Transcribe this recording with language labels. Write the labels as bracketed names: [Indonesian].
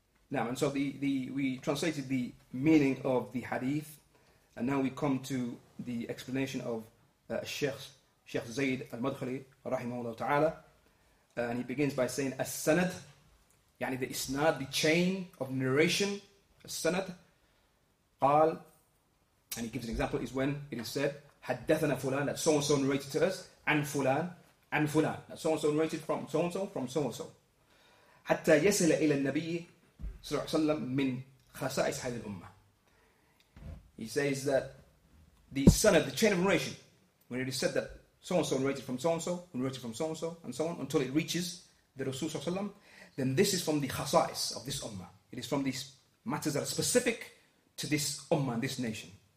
[English] Now, and so the we translated the meaning of the hadith, and now we come to the explanation of Sheikh Zayd al-Madkhali rahimahullah ta'ala, and he begins by saying as-sanad, يعني the isnad, the chain of narration, as-sanad, قال, and he gives an example, is when it is said, [Arabic] حدثنا فلان, [English] that so-and-so narrated to us, [Arabic] عن فلان, [English] that so-and-so narrated from so-and-so, from so-and-so. [Arabic] حتى يسل إلى النبي صلى الله عليه وسلم من خصائص هذه الأمة. [English] He says that the sanad, the chain of narration, when it is said that so-and-so narrated from so-and-so, narrated from so-and-so, and so on, until it reaches the Rasul [Arabic] صلى الله عليه وسلم, [English] then this is from the khasais of this ummah. It is from these matters that are specific to this ummah, this nation.